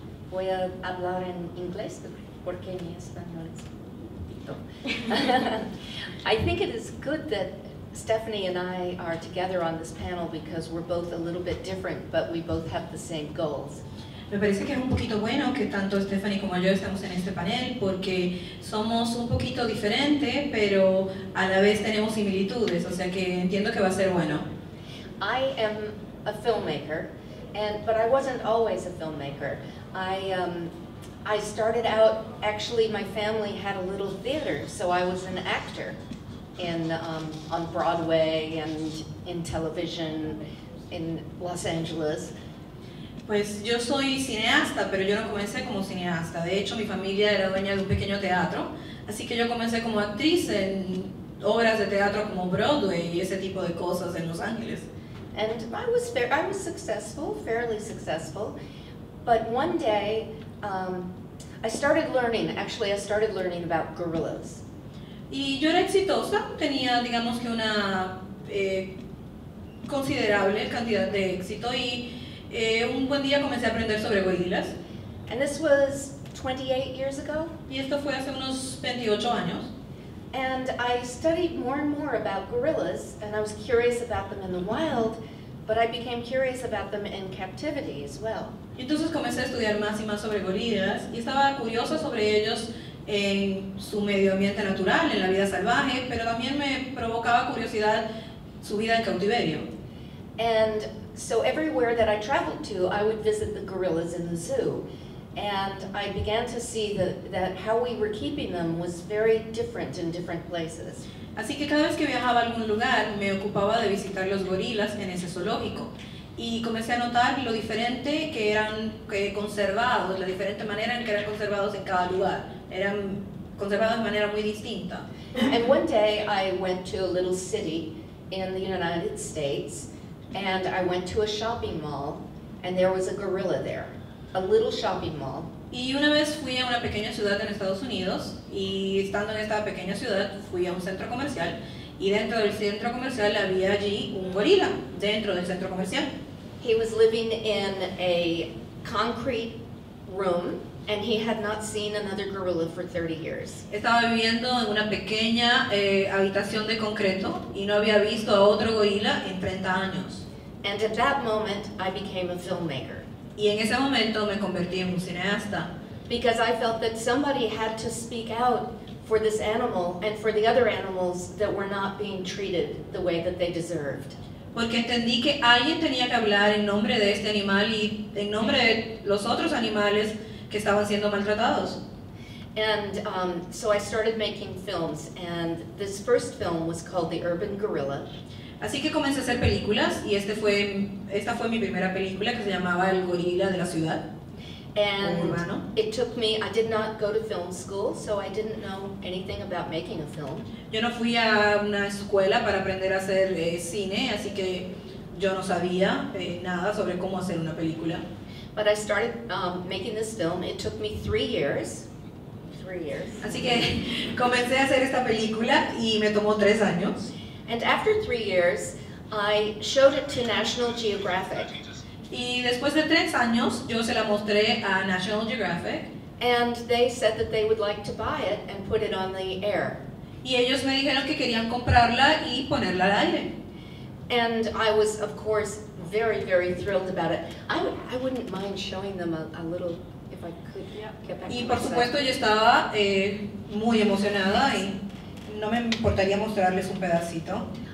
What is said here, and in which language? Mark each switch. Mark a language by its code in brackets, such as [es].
[es] voy a hablar en inglés porque mi español es poquito. [en] I think it is good that Stephanie and I are together on this panel because we're both a little bit different, but we both have the same goals. [es] Me parece que es un poquito bueno que tanto Stephanie como yo estemos en este panel porque somos un poquito diferentes, pero a la vez tenemos similitudes, o sea que entiendo que va a ser bueno. [en] I am a filmmaker, but I wasn't always a filmmaker. I started out, actually my family had a little theater, so I was an actor on Broadway and in television in Los Angeles. [es] Pues yo soy cineasta, pero yo no comencé como cineasta. De hecho, mi familia era dueña de un pequeño teatro, así que yo comencé como actriz en obras de teatro como Broadway y ese tipo de cosas en Los Ángeles. [en] And I was successful, fairly successful, but one day I started learning about gorillas. [es] Y yo era exitosa, tenía digamos que una considerable cantidad de éxito y un buen día comencé a aprender sobre gorilas. [en] And this was 28 years ago. [es] Y esto fue hace unos 28 años. [en] And I studied more and more about gorillas, and I was curious about them in the wild, but I became curious about them in captivity as well. [es] Y entonces comencé a estudiar más y más sobre gorilas y estaba curiosa sobre ellos en su medio ambiente natural, en la vida salvaje, pero también me provocaba curiosidad su vida en cautiverio. [en] And so everywhere that I traveled to, I would visit the gorillas in the zoo. And I began to see that how we were keeping them was very different in different places. [es] Así que cada vez que viajaba a algún lugar, me ocupaba de visitar los gorilas en ese zoológico. Y comencé a notar lo diferente que eran conservados, la diferente manera en que eran conservados en cada lugar. Eran conservados de manera muy distinta. [en] And one day I went to a little city in the United States, and I went to a shopping mall, and there was a gorilla there. A little shopping mall. [es] Y una vez fui a una pequeña ciudad en Estados Unidos, y estando en esta pequeña ciudad, fui a un centro comercial, y dentro del centro comercial había allí un gorila, dentro del centro comercial. [en] He was living in a concrete room, and he had not seen another gorilla for 30 years. [es] Estaba viviendo en una pequeña habitación de concreto, y no había visto a otro gorila en 30 años. [en] And at that moment, I became a filmmaker. [es] Y en ese momento me convertí en un cineasta. [en] Because I felt that somebody had to speak out for this animal and for the other animals that were not being treated the way that they deserved. [es] Porque entendí que alguien tenía que hablar en nombre de este animal y en nombre de los otros animales que estaban siendo maltratados. [en] And so I started making films, and this first film was called The Urban Gorilla. [es] Así que comencé a hacer películas y esta fue mi primera película que se llamaba El Gorila de la Ciudad. And urbano. [en] It took me, I did not go to film school, so I didn't know anything about making a film. [es] Yo no fui a una escuela para aprender a hacer cine, así que yo no sabía nada sobre cómo hacer una película. [en] But I started making this film. It took me 3 years. 3 years. [es] Así que comencé a hacer esta película y me tomó 3 años. [en] And after 3 years, I showed it to National Geographic. [es] Y después de 3 años, yo se la mostré a National Geographic. [en] And they said that they would like to buy it and put it on the air. [es] Y ellos me dijeron que querían comprarla y ponerla al aire. [en] And I was, of course, very, very thrilled about it. I wouldn't mind showing them a little, if I could. [es] Y por supuesto, yo estaba muy emocionada y no me importaría mostrarles un pedacito.